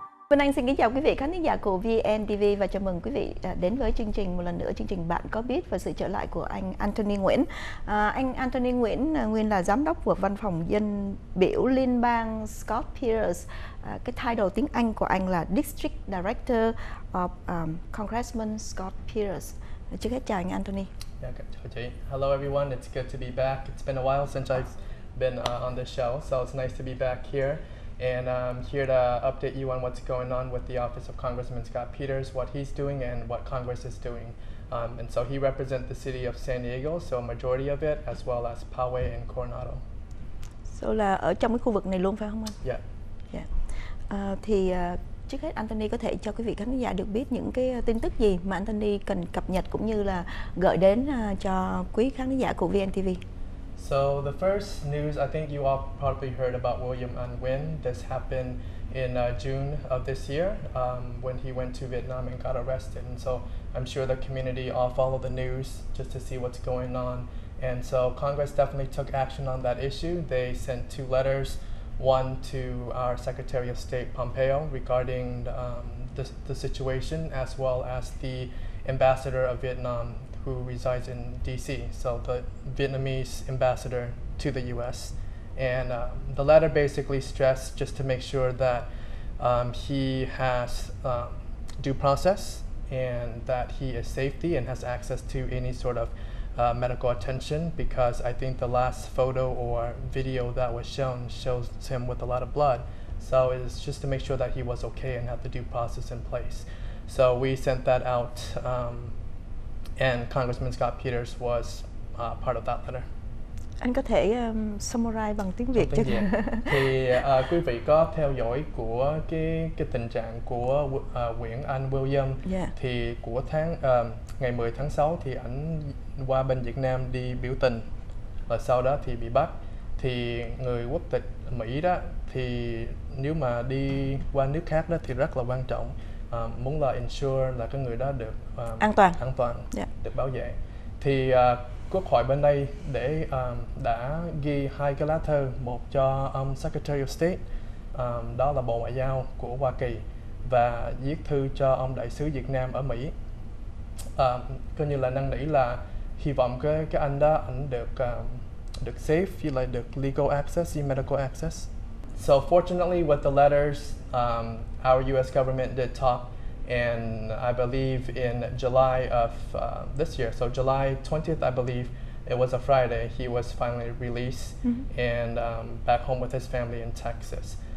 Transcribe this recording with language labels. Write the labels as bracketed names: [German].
[Vietnamese] Vân Anh xin kính chào quý vị khán giả của VNTV và chào mừng quý vị đến với chương trình một lần nữa, chương trình Bạn Có Biết, và sự trở lại của anh Anthony Nguyễn. Anh Anthony Nguyễn nguyên là giám đốc của văn phòng dân biểu liên bang Scott Peters. Cái title tiếng Anh của anh là [English] District Director of Congressman Scott Peters. [Vietnamese] Trước hết chào anh Anthony. [English] Hello everyone, it's good to be back. It's been a while since I've been on the show, so it's nice to be back here. And I'm here to update you on what's going on with the office of Congressman Scott Peters, what he's doing and what Congress is doing. And so he represents the city of San Diego, so a majority of it, as well as Poway and Coronado. [Vietnamese] So là ở trong cái khu vực này luôn phải không anh? [English] Yeah. [Vietnamese] Thì trước hết Anthony có thể cho quý vị khán giả được biết những cái tin tức gì mà Anthony cần cập nhật cũng như là gửi đến cho quý khán giả của VNTV. [English] So the first news, I think you all probably heard about William An Nguyen. This happened in June of this year when he went to Vietnam and got arrested. And so I'm sure the community all follow the news just to see what's going on. And so Congress definitely took action on that issue. They sent two letters, one to our Secretary of State Pompeo regarding the situation, as well as the ambassador of Vietnam who resides in DC, so the Vietnamese ambassador to the US. And the letter basically stressed just to make sure that he has due process and that he is safety and has access to any sort of medical attention, because I think the last photo or video that was shown shows him with a lot of blood. So it's just to make sure that he was okay and had the due process in place. So we sent that out, and Congressman Scott Peters was part of that letter. [Vietnamese] Anh có thể summarize bằng tiếng Việt cho thì quý vị có theo dõi của cái tình trạng của Nguyễn Anh William. [English] Yeah. [Vietnamese] Thì của tháng ngày 10 tháng 6 thì ảnh qua bên Việt Nam đi biểu tình, và sau đó thì bị bắt. Thì người quốc tịch Mỹ đó, thì nếu mà đi qua nước khác đó thì rất là quan trọng. Muốn là ensure là cái người đó được an toàn, yeah, được bảo vệ. Thì quốc hội bên đây để đã ghi hai cái lá thư, một cho Secretary of State, đó là Bộ Ngoại giao của Hoa Kỳ, và viết thư cho ông đại sứ Việt Nam ở Mỹ, coi như là năn nỉ là hy vọng cái anh đó ảnh được được safe, feel like được [English] legal access, medical access. So fortunately, with the letters, our U.S. government did talk, and I believe in July of this year, so July 20th, I believe, it was a Friday, he was finally released, mm-hmm, and back home with his family in Texas.